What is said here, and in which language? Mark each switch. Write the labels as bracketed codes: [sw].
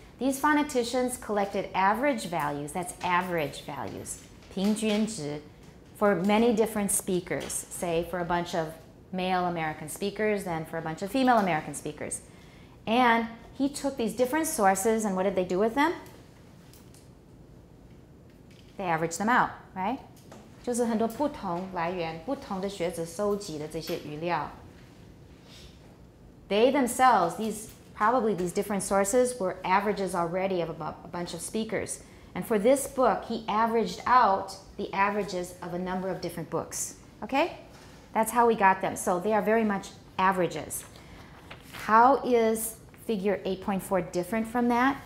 [en] These phoneticians collected average values, that's average values, [zh] 平均值, [en] for many different speakers, say for a bunch of male American speakers than for a bunch of female American speakers. And he took these different sources, and what did they do with them? They averaged them out, right? [zh] 就是很多不同来源,不同的学者收集的这些语料. [en] They themselves, these different sources were averages already of a bunch of speakers. And for this book, he averaged out the averages of a number of different books. Okay? That's how we got them. So they are very much averages. How is figure 8.4 different from that?